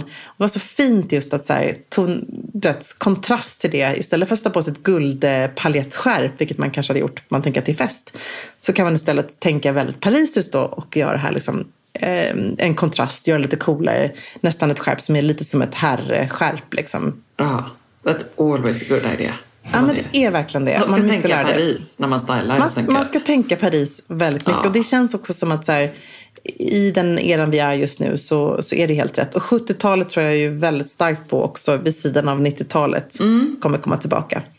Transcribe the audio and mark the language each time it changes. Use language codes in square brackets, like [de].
[sv] Det var så fint just att så här, kontrast till det. Istället för att sätta på sig ett guldpaljettskärp, vilket man kanske hade gjort om man tänker till fest, så kan man istället tänka väldigt parisiskt då och göra det här liksom, en kontrast, göra lite coolare. Nästan ett skärp som är lite som ett herrskärp. Ja, liksom. [en] That's always a good idea. [sv] Ja, men det är verkligen det. Man ska tänka Paris när man stylar. Man ska tänka Paris väldigt mycket. Ja. Och det känns också som att så här, i den eran vi är just nu så är det helt rätt. Och 70-talet tror jag är ju väldigt starkt på också, vid sidan av 90-talet kommer komma tillbaka.